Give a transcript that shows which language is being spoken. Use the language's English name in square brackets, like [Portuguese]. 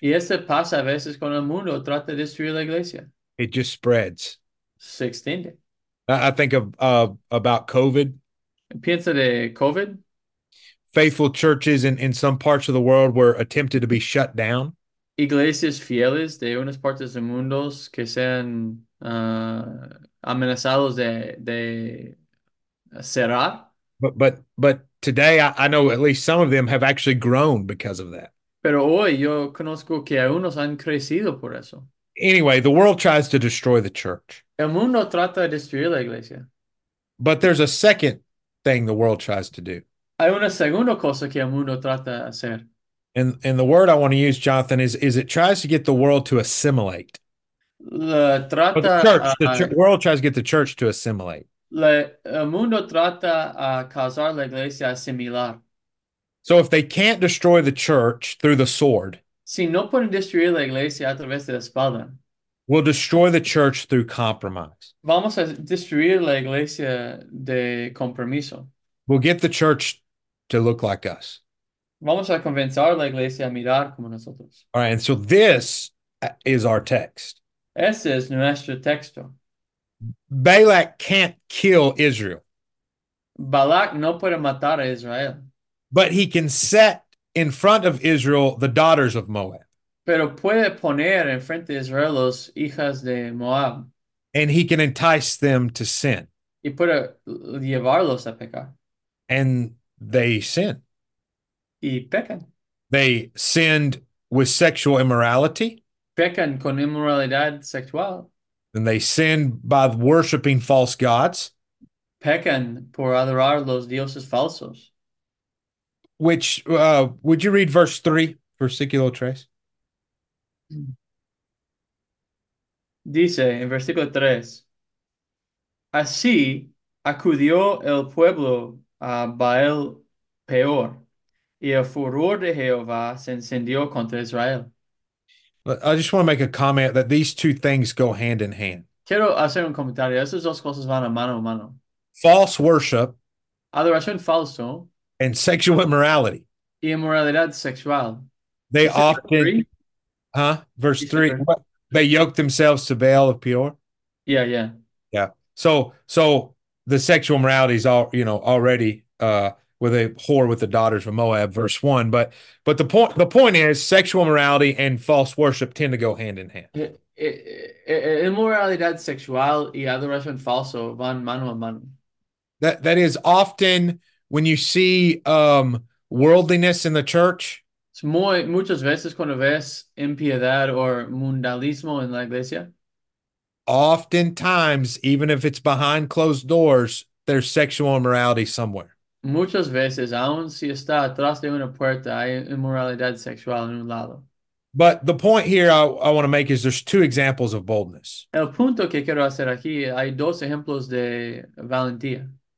[Spanish] Y eso pasa a veces cuando el mundo trata de destruir la iglesia. [English] It just spreads. [Spanish] Se extiende. [English] I think of about COVID. [Spanish] Piensa de COVID. [English] Faithful churches in some parts of the world were attempted to be shut down. [Spanish] Iglesias fieles de unas partes del mundo que sean amenazados de cerrar. [English] But today I know at least some of them have actually grown because of that. [Spanish] Pero hoy yo conozco que algunos han crecido por eso. [English] Anyway, the world tries to destroy the church. [Spanish] El mundo trata de destruir la iglesia. [English] But there's a second thing the world tries to do. [Spanish] Hay una segunda cosa que el mundo trata de hacer. [English] And the word I want to use, Jonathan, is it tries to get the world to assimilate. [Spanish] La [English] Or [Spanish] trata [English] the [Spanish] a, [English] world tries to get the church to assimilate. [Spanish] la, el mundo trata a causar la iglesia a asimilar. [English] So if they can't destroy the church through the sword, [Spanish] Si no pueden destruir la iglesia a través de la espada, [English] we'll destroy the church through compromise. [Spanish] vamos a destruir la iglesia de compromiso. [English] We'll get the church to look like us. [Spanish] Vamos a convencer a la iglesia a mirar como nosotros. [English] All right, and so this is our text. [Spanish] Ese es nuestro texto. [English] Balak can't kill Israel. [Spanish] Balak no puede matar a Israel. [English] But he can set in front of Israel the daughters of Moab. [Spanish] Pero puede poner en frente de Israel los hijas de Moab. [English] And he can entice them to sin. [Spanish] Y puede llevarlos a pecar. [English] And they sin. [Spanish] Y pecan. [English] They sinned with sexual immorality. [Spanish] Pecan con inmoralidad sexual. [English] And they sinned by worshiping false gods, [Spanish] Pecan por adorar los dioses falsos. [English] which would you read verse 3 for Ezequiel 3? [Spanish] Dice en versículo 3: Así acudió el pueblo a Baal Peor, y el furor de Jehová se encendió contra Israel. [English] I just want to make a comment that these two things go hand in hand. [Spanish] Quiero hacer un comentario: esas dos cosas van a mano a mano. [English] False worship [Spanish] Adoración falso [English] and sexual immorality. [Spanish] y inmoralidad sexual. [English] They [Spanish] Dice [English] verse often, 3. verse [Spanish] Dice [English] three, verse what? They yoked themselves to Baal of Peor. Yeah. Yeah. So the sexual immorality is all, already with a whore with the daughters of Moab, verse one. But the point is sexual immorality and false worship tend to go hand in hand. [Spanish] Inmoralidad sexual y adoración falso van mano a mano. [English] That is often when you see worldliness in the church. [Spanish] Muchas veces cuando ves impiedad o mundanalismo en la iglesia. [English] Oftentimes, even if it's behind closed doors, there's sexual immorality somewhere. [Spanish] Muchas veces, aun si está atrás de una puerta, hay inmoralidad sexual en un lado. [English] But the point here I want to make is there's two examples of boldness. [Spanish] El punto que quiero hacer aquí, hay dos ejemplos de valentía.